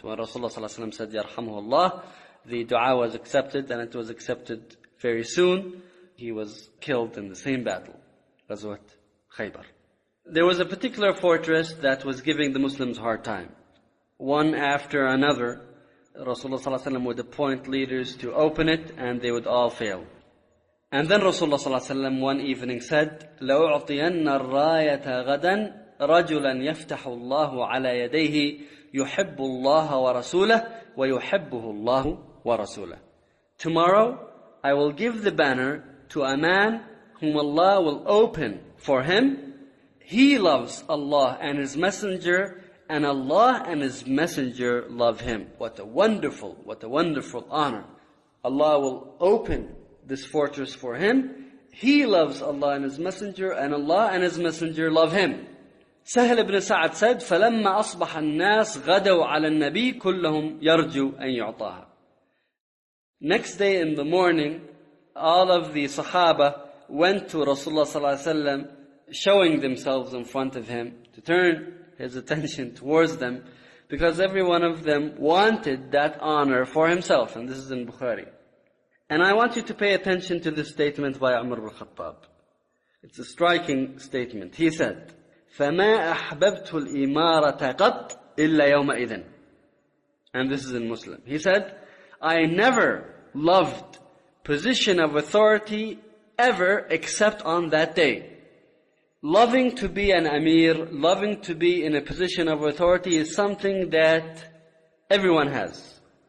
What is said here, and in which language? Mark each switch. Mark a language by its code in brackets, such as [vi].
[en] When Rasulullah sallallahu alayhi wasallam said, [ar] يَرْحَمُهُ اللَّهُ, [en] the dua was accepted, and it was accepted very soon. He was killed in the same battle, Ghazwat Khaybar. There was a particular fortress that was giving the Muslims a hard time. One after another, Rasulullah sallallahu alaihi wasallam would appoint leaders to open it, and they would all fail. And then Rasulullah sallallahu alaihi wasallam one evening said, [ar] لَأُعْطِيَنَّ الرَّايَةَ غَدًا رَجُلًا يَفْتَحُ اللَّهُ عَلَى يَدَيْهِ يُحِبُّ اللَّهَ وَرَسُولَهُ وَيُحِبُّهُ اللَّهُ وَرَسُولَهُ. [en] Tomorrow, I will give the banner to a man whom Allah will open for him. He loves Allah and His Messenger, and Allah and His Messenger love him. What a wonderful honor. Allah will open this fortress for him. He loves Allah and His Messenger, and Allah and His Messenger love him. Sahal ibn Sa'ad said, [ar] فَلَمَّا أَصْبَحَ النَّاسِ غَدَوْا عَلَى النَّبِيِّ كُلَّهُمْ يَرْجُوا أَنْ يُعْطَاهَا. [en] Next day in the morning, all of the Sahaba went to Rasulullah صلى الله عليه وسلم, showing themselves in front of him to turn his attention towards them, because every one of them wanted that honor for himself. And this is in Bukhari. And I want you to pay attention to this statement by Umar ibn Khattab. It's a striking statement. He said, [ar] فَمَا أَحْبَبْتُ الْإِمَارَةَ قَطْ إِلَّا يَوْمَئِذٍ. [en] And this is in Muslim. He said, I never loved position of authority ever except on that day. Loving to be an Amir, loving to be in a position of authority is something that everyone has.